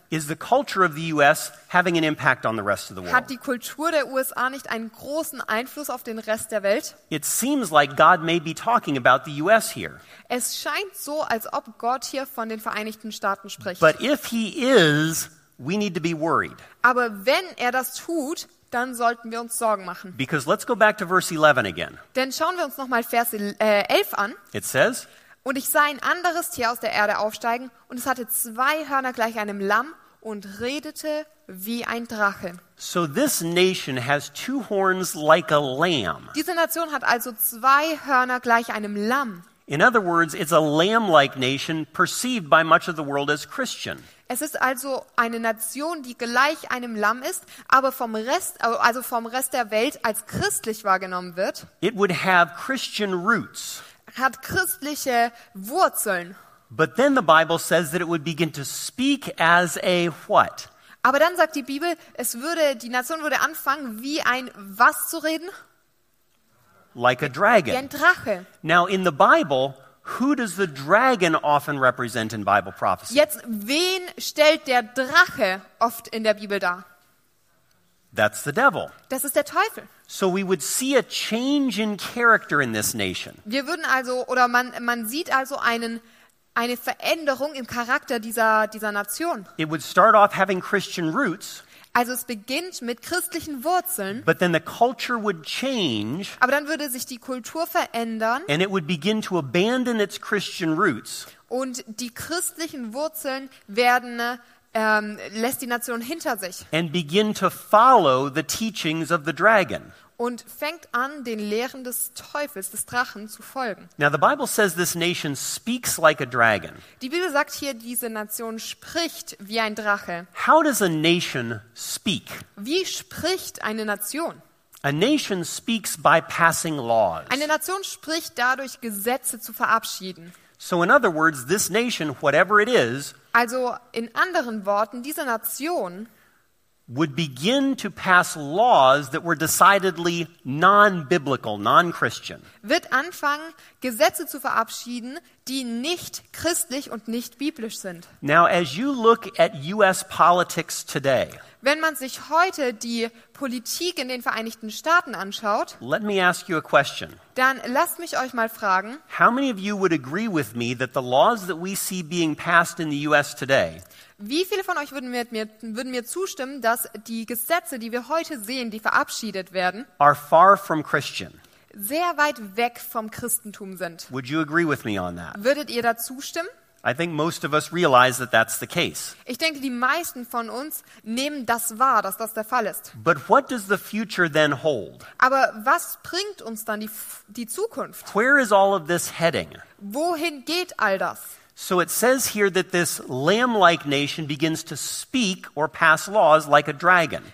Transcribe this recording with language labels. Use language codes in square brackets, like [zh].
[en] Is the culture of the US having an impact on the rest of the world? [de] Hat die Kultur der USA nicht einen großen Einfluss auf den Rest der Welt? [en] It seems like God may be talking about the US here. [de] Es scheint so, als ob Gott hier von den Vereinigten Staaten spricht. [en] But if he is, we need to be worried. [de] Aber wenn er das tut, dann sollten wir uns Sorgen machen. [en] Because let's go back to verse 11 again. [de] Denn schauen wir uns nochmal Vers 11 an. [en] It says, [de] und ich sah ein anderes Tier aus der Erde aufsteigen, und es hatte zwei Hörner gleich einem Lamm und redete wie ein Drache. [en] So this nation has two horns like a lamb. [de] Diese Nation hat also zwei Hörner gleich einem Lamm. [en] In other words, it's a lamb-like nation perceived by much of the world as Christian. [de] Es ist also eine Nation, die gleich einem Lamm ist, aber vom Rest der Welt als christlich wahrgenommen wird. [en] It would have Christian roots. [de] Hat christliche Wurzeln. [en] But then the Bible says that it would begin to speak as a what? [de] Aber dann sagt die Bibel, die Nation würde anfangen, wie ein was zu reden? [en] Like a dragon. [de] Wie ein Drache. [en] Now in the Bible, who does the dragon often represent in Bible prophecy? [de] Jetzt, wen stellt der Drache oft in der Bibel dar? [en] That's the devil. [de] Das ist der Teufel. [en] So we would see a change in character in this nation. [de] Wir würden also, oder man sieht also eine Veränderung im Charakter dieser Nation. [en] It would start off having Christian roots. [de] Also es beginnt mit christlichen Wurzeln. [en] But then the culture would change. [de] Aber dann würde sich die Kultur verändern. [en] And it would begin to abandon its Christian roots. [de] Und die christlichen Wurzeln werden lässt die Nation hinter sich. [en] And begin to follow the teachings of the dragon. [de] Und fängt an, den Lehren des Teufels, des Drachen, zu folgen. [en] Now the Bible says this nation speaks like a dragon. [de] Die Bibel sagt hier, diese Nation spricht wie ein Drache. [en] How does a nation speak? [de] Wie spricht eine Nation? [en] A nation speaks by passing laws. [de] Eine Nation spricht dadurch, Gesetze zu verabschieden. [en] So in other words, this nation, whatever it is, [de] also in anderen Worten, diese Nation [en] would begin to pass laws that were decidedly non-biblical, non-Christian. [de] Wird anfangen, Gesetze zu verabschieden, die nicht christlich und nicht biblisch sind. [en] Now, as you look at U.S. politics today, [de] wenn man sich heute die Politik in den Vereinigten Staaten anschaut, [en] let me ask you a question. [de] Dann lasst mich euch mal fragen, [en] how many of you would agree with me that the laws that we see being passed in the U.S. today, [de] wie viele von euch würden mir zustimmen, dass die Gesetze, die wir heute sehen, die verabschiedet werden, [en] are far from Christian, [de] sehr weit weg vom Christentum sind? [en] Would you agree with me on that? [de] Würdet ihr da zustimmen? [en] I think most of us realize that that's the case. [de] Ich denke, die meisten von uns nehmen das wahr, dass das der Fall ist. [en] But what does the future then hold? [de] Aber was bringt uns dann die Zukunft? [en] Where is all of this heading? [de] Wohin geht all das? [en] So it says here that this lamb-like nation begins to speak or pass laws like a dragon.